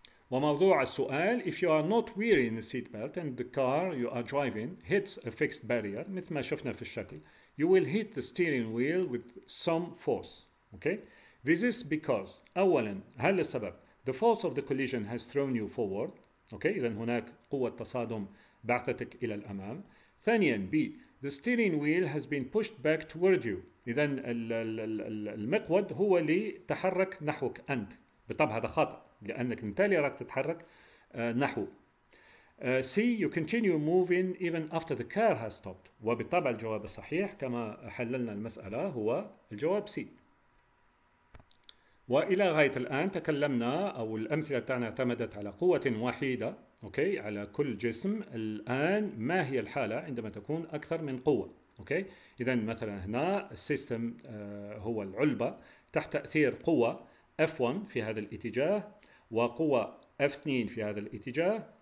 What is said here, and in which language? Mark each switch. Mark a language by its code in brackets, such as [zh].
[ar] وموضوع السؤال: [en] If you are not wearing a seat belt and the car you are driving hits a fixed barrier [ar] مثل ما شفنا في الشكل [en] you will hit the steering wheel with some force. Okay, this is because [ar] أولا هل السبب [en] the force of the collision has thrown you forward. [ar] Okay, إذن هناك قوة تصادم بعثتك إلى الأمام. [en] ثانيا B the steering wheel has been pushed back toward you. [ar] إذن المقود هو اللي تحرك نحوك أنت. بالطبع هذا خطأ لأنك أنت اللي راك تتحرك نحو. [en] C you continue moving even after the car has stopped. [ar] وبالطبع الجواب الصحيح كما حللنا المسألة هو الجواب C. وإلى غاية الآن تكلمنا أو الأمثلة تاعنا اعتمدت على قوة واحدة، أوكي، على كل جسم. الآن ما هي الحالة عندما تكون أكثر من قوة؟ أوكي، إذا مثلا هنا السيستم هو العلبة تحت تأثير قوة F1 في هذا الاتجاه وقوة F2 في هذا الاتجاه.